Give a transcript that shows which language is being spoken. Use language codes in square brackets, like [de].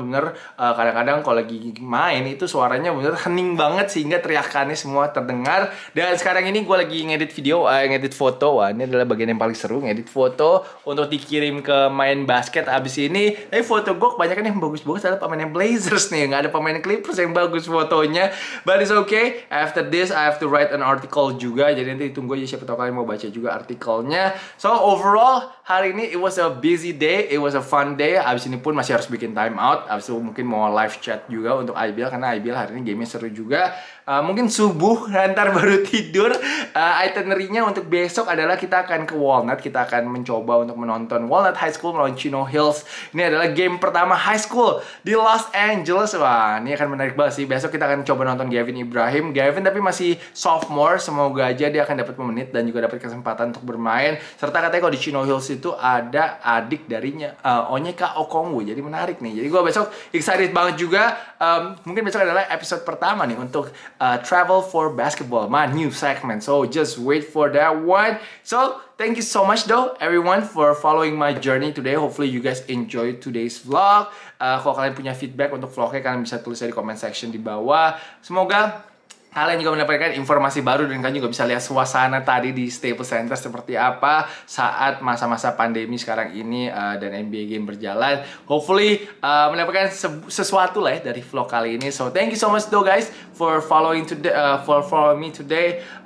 [id] Bener, kadang-kadang kalau lagi main itu suaranya bener hening banget sehingga teriakannya semua terdengar. Dan sekarang ini gue lagi ngedit video, ngedit foto. Wah, ini adalah bagian yang paling seru, ngedit foto untuk dikirim ke main basket abis ini. Tapi foto gue kebanyakan yang bagus-bagus adalah pemain Blazers nih. Gak ada pemain Clippers yang bagus fotonya. [en] But it's okay, after this I have to write an article juga. [id] Jadi nanti tunggu aja siapa tahu kalian mau baca juga artikelnya. So overall, hari ini [en] it was a busy day. It was a fun day. [id] Abis ini pun masih harus bikin time out. Abis itu mungkin mau live chat juga untuk IBL. Karena IBL hari ini gamenya seru juga. Mungkin subuh ntar baru tidur. Itinerinya untuk besok adalah kita akan ke Walnut. Kita akan mencoba untuk menonton Walnut High School melawan Chino Hills. Ini adalah game pertama high school di Los Angeles. Wah, ini akan menarik banget sih. Besok kita akan coba nonton Gavin Ibrahim. Gavin tapi masih sophomore. Semoga aja dia akan dapat menit dan juga dapat kesempatan untuk bermain. Serta katanya kalau di Chino Hills itu ada adik darinya Onyeka Okongwu. Jadi menarik nih. Jadi gue besok excited banget juga. Mungkin besok adalah episode pertama nih untuk Travel for Basketball, [en] my new segment. So just wait for that one. So thank you so much though everyone for following my journey today. Hopefully you guys enjoy today's vlog. [id] Kalau kalian punya feedback untuk vlognya, kalian bisa tulis di comment section di bawah. Semoga kalian juga mendapatkan informasi baru dan kalian juga bisa lihat suasana tadi di Staples Center seperti apa saat masa-masa pandemi sekarang ini dan NBA game berjalan. Hopefully mendapatkan sesuatu lah ya dari vlog kali ini. [en] So thank you so much though guys for following today, for following me today.